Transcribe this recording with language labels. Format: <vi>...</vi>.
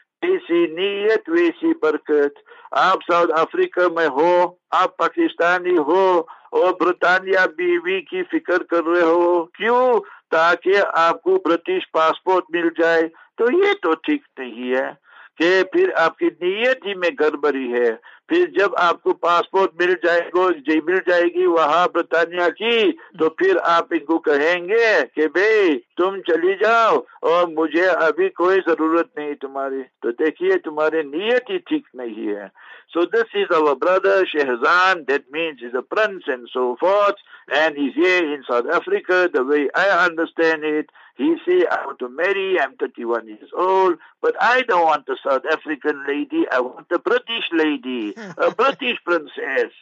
<hi>Aisi niyat, aisi barkat. Aap South Africa mein ho, aap Pakistani ho, aur Britannia biwi ki fikr kar rahe ho. Kyun? Taaki aapko British passport mil jaye. To ye to theek nahi hai. Ke phir aapki niyat hi mein garbari hai. फिर जब आपको passport मिल जाएगा जी मिल जाएगी वहाँ Britannia की तो फिर आप इनको कहेंगे कि भाई तुम चली जाओ और मुझे अभी कोई जरूरत नहीं तुम्हारी. तो देखिए तुम्हारी नीयत ही ठीक नहीं है.</hi> <en>So this is our brother Shehzan, that means he's a prince and so forth, and he's here in South Africa. The way I understand it, he says, I want to marry, I'm 31 years old, but I don't want a South African lady, I want a British lady, a British princess.</en>